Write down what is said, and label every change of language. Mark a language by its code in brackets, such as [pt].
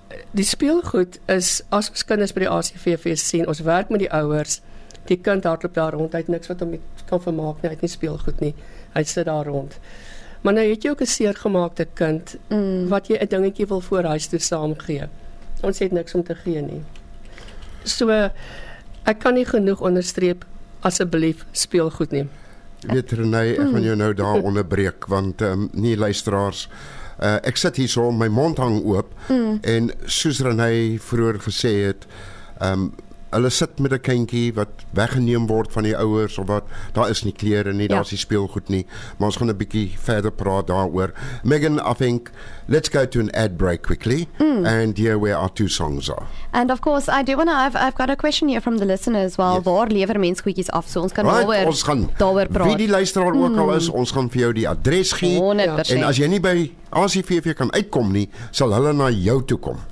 [af] Die speelgoed is, as ons kinders by die ACVV sien, ons werk met die ouers, die kind hardloop daar rond, hy het niks wat hom kan vermaak nie, hy het nie speelgoed nie, hy sit daar rond. Maar nou het jy ook een seergemaakte kind, wat jy een dingetjie wil voor huis toe saamgee. Ons het niks om te gee nie. So, ek kan nie genoeg onderstreep, asseblief, speelgoed nie. Weet René, ek gaan jou nou daar onderbreek, want nie luisteraars, ek sit hier so, my mond hang oop en soos Renee vroeger gesê het, hulle sit met 'n kindjie wat weggeneem word van die ouers of wat, daar is nie klere nie, daar is die speelgoed nie, maar ons gaan 'n bietjie verder praat daaroor. [en] Megan, I think, let's go to an ad break quickly and hear where our two songs are. And of course, I do want to, I've got a question here from the listeners, well, yes. [af] Waar lever mens koekies af, so ons kan daaroor praat. Wie die luisteraar ook al is, ons gaan vir jou die adres gee, en as jy nie by ACVV kan uitkom nie, sal hulle na jou toe kom.